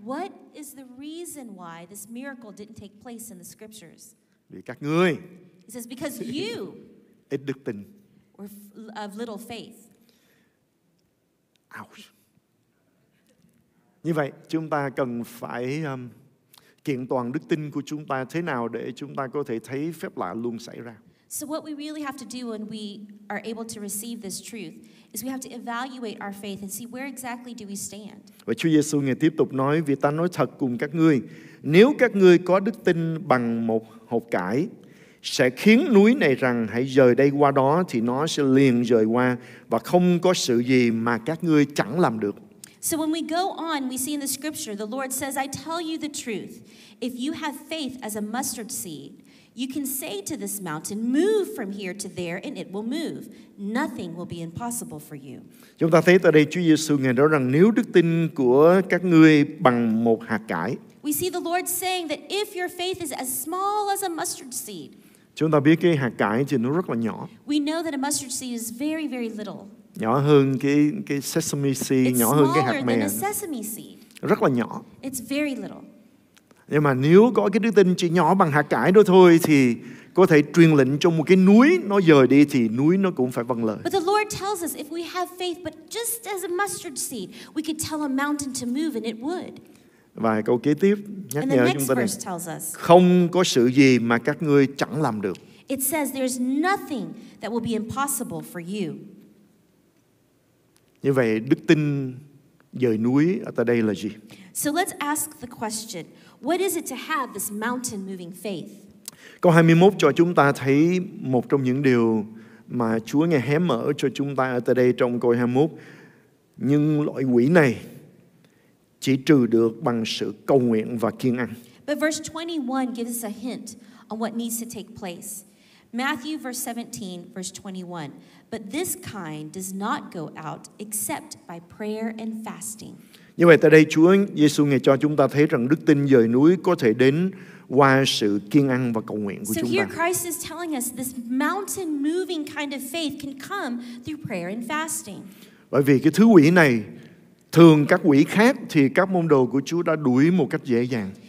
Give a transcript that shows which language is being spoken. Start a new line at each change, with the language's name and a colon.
English: What is the reason why this miracle didn't take place in the scriptures?
Vietnamese: Vì các ngươi.
English: He says because you.
Vietnamese: Ít đức tin.
English: Or of little faith. Ouch.
Vietnamese: Như vậy chúng ta cần phải kiện toàn đức tin của chúng ta thế nào để chúng ta có thể thấy phép lạ luôn xảy ra?
English: So what we really have to do when we are able to receive this truth is we have to evaluate our faith and see where exactly do we stand.
Vietnamese: Và Chúa Giêsu ngài tiếp tục nói, vì ta nói thật cùng các ngươi, nếu các ngươi có đức tin bằng một hột cải, sẽ khiến núi này rằng hãy dời đây qua đó thì nó sẽ liền dời qua và không có sự gì mà các ngươi chẳng làm được.
English: So when we go on, we see in the scripture, the Lord says, I tell you the truth. If you have faith as a mustard seed, you can say to this mountain, move from here to there, and it will move. Nothing will be impossible for you.
Vietnamese: Chúng ta thấy tại đây Chúa Giêsu ngài nói rằng nếu đức tin của các ngươi bằng một hạt cải.
English: We see the Lord saying that if your faith is as small as a mustard seed.
Vietnamese: Chúng ta biết cái hạt cải thì nó rất là nhỏ.
English: We know that a mustard seed is very, very little.
Vietnamese: Nhỏ hơn cái
English: sesame seed,
Vietnamese: nhỏ hơn cái hạt mè.
English: It's smaller than a sesame seed.
Vietnamese: Rất là nhỏ.
English: It's very little.
Vietnamese: Nhưng mà nếu có cái đức tin chỉ nhỏ bằng hạt cải đó thôi thì có thể truyền lệnh cho một cái núi nó dời đi thì núi nó cũng phải vâng lời.
English: But the Lord tells us if we have faith but just as a mustard seed, we could tell a mountain to move and it would.
Vietnamese: Và câu kế tiếp nhắc nhở chúng ta
English: này. Verse tells us,
Vietnamese: không có sự gì mà các ngươi chẳng làm được.
English: It says there's nothing that will be impossible for you.
Vietnamese: Như vậy đức tin dời núi ở tại đây là gì?
English: So let's ask the question. What is it to have this mountain moving faith?
Vietnamese: Câu 21 cho chúng ta thấy một trong những điều mà Chúa ngài hé mở cho chúng ta ở tại đây trong câu 21. Nhưng loại quỷ này chỉ trừ được bằng sự cầu nguyện và kiêng ăn.
English: But verse 21 gives us a hint on what needs to take place. Matthew verse 17 verse 21. But this kind does not go out except by prayer and fasting.
Vietnamese: Như vậy tại đây Chúa Giêsu ngài cho chúng ta thấy rằng đức tin dời núi có thể đến qua sự kiêng ăn và cầu nguyện của chúng ta.
English: So here Christ is telling us this mountain moving kind of faith can come through prayer and fasting.
Vietnamese: Bởi vì cái thứ quỷ này thường các quỷ khác thì các môn đồ của Chúa đã đuổi một cách dễ dàng.